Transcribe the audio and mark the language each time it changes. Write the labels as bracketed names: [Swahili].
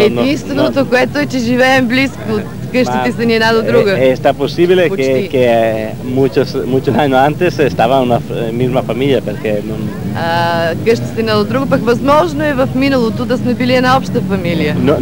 [Bulgarian] Единственото, което е, че живеем близко. къщите са ни една до друга. [Spanish] Está posible que muchos años antes estaba una misma familia, porque no. [Bulgarian] Къщите на друга, пък възможно е в миналото да сме били една обща фамилия.